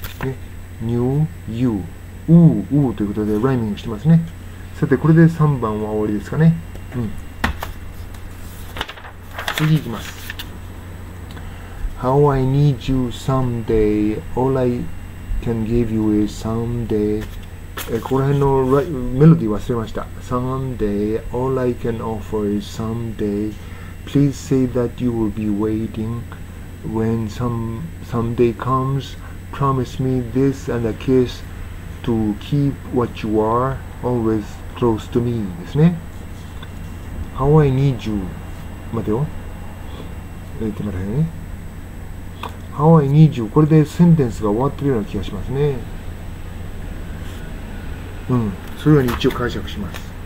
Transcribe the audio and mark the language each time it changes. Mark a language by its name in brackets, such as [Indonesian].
[Japanese] うということでライミングしてますね。さてこれで3番は終わりですかね。うん、次行きます。 [English] How I need you someday, all I can give you is someday。 [Japanese] ここら辺のメロディー忘れました。 [English] Someday, all I can offer is someday, please say that you will be waiting when someday comes, promise me this and a kiss to keep what you are always close to me [Japanese] ですね。 [English] How I need you、 [Japanese] 待てよ、言ってもらえね。 [English] How I need you、 [Japanese] これでセンテンスが終わってるような気がしますね。うん、そういうように一応解釈します。